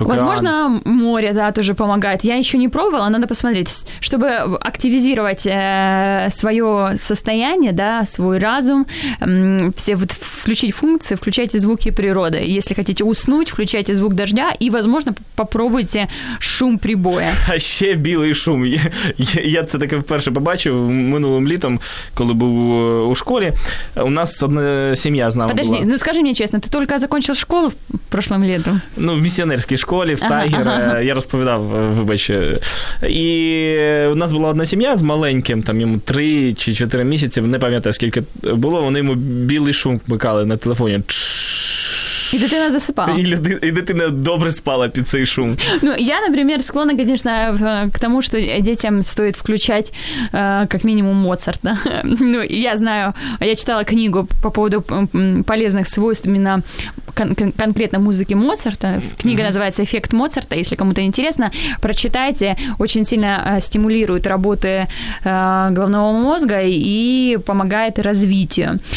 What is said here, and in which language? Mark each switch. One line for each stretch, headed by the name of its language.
Russian: возможно, море, да, тоже помогает. Я еще не пробовала, надо посмотреть. Чтобы активизировать свое состояние, да, свой разум, все вот включить функции, включайте звуки природы. Если хотите уснуть, включайте звук дождя и, возможно, попробуйте шум прибоя.
Ukrainian: А ще білий шум. Я це таке вперше побачив минулим літом, коли був у школі. У нас одна сім'я знала. Подожди, ну скажи мені чесно, ти тільки закінчив школу прошлым літом? Ну, в місіонерській школі, в Стайгер. Я розповідав, вибач. І у нас була одна сім'я з маленьким, там йому 3 чи 4 місяці, не пам'ятаю, скільки було, вони йому білий шум вмикали на телефоні. І дитина засипала. І дитина добре спала під цей шум. Ну, я, наприклад, склонна, звісно, к тому, що дітям стоїть включати, як мінімум, Моцарт.
Russian: Да? Ну, я знаю, я читала книгу по поводу полезних свойств на конкретно музыки Моцарта. Книга называется «Эффект Моцарта». Если кому-то интересно, прочитайте. Очень сильно стимулирует работы головного мозга и помогает развитию.